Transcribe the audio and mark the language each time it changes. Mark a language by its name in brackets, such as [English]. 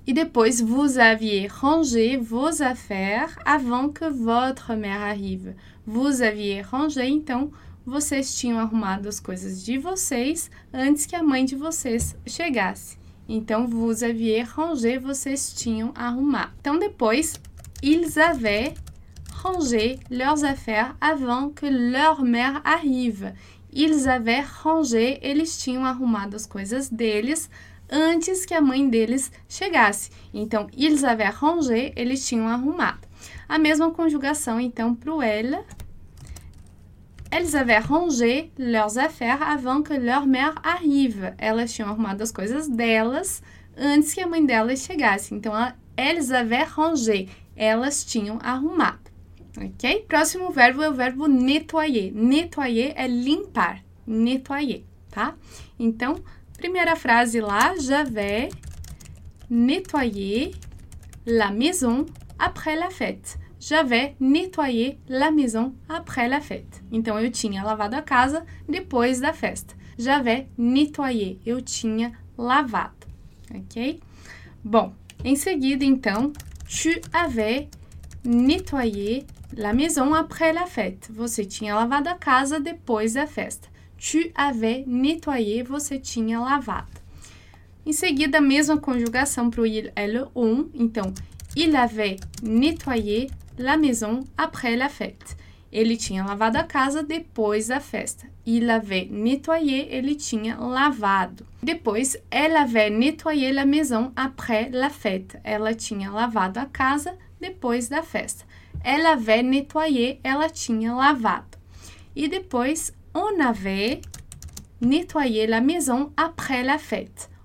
[Portuguese] E depois, [French] vous aviez rangé vos affaires avant que votre mère arrive. Vous aviez rangé, [Portuguese] então, vocês tinham arrumado as coisas de vocês antes que a mãe de vocês chegasse. Então, [French] vous aviez rangé, [Portuguese] vocês tinham arrumado. Então, depois, [French] ils avaient rangé leurs affaires avant que leur mère arrive. Ils avaient rangé, [Portuguese] eles tinham arrumado as coisas deles antes que a mãe deles chegasse. Então, [French] ils avaient rangé, [Portuguese] eles tinham arrumado. A mesma conjugação, então, para o elle. [French] Elles avaient rangé leurs affaires avant que leur mère arrive. [Portuguese] Elas tinham arrumado as coisas delas antes que a mãe delas chegasse. Então, [French] elles avaient rangé, [Portuguese] elas tinham arrumado. Ok? Próximo verbo é o verbo nettoyer. Nettoyer é limpar. Nettoyer, tá? Então, primeira frase lá, [French] j'avais nettoyé la maison après la fête. J'avais nettoyé la maison après la fête. [Portuguese] Então, eu tinha lavado a casa depois da festa. [French] J'avais nettoyé, [Portuguese] eu tinha lavado, ok? Bom, em seguida, então, [French] tu avais nettoyé la maison après la fête. [Portuguese] Você tinha lavado a casa depois da festa. [French] Tu avais nettoyé, [Portuguese] você tinha lavado. Em seguida, a mesma conjugação para o il, elle, on. [French] Então, il avait nettoyé la maison après la fête. [Portuguese] Ele tinha lavado a casa depois da festa. [French] Il avait nettoyé, [Portuguese] ele tinha lavado. [French] Depois, elle avait nettoyé la maison après la fête. [Portuguese] Ela tinha lavado a casa depois da festa. [French] Elle avait nettoyé, [Portuguese] ela tinha lavado. E depois, [French] on avait nettoyé la maison après la fête.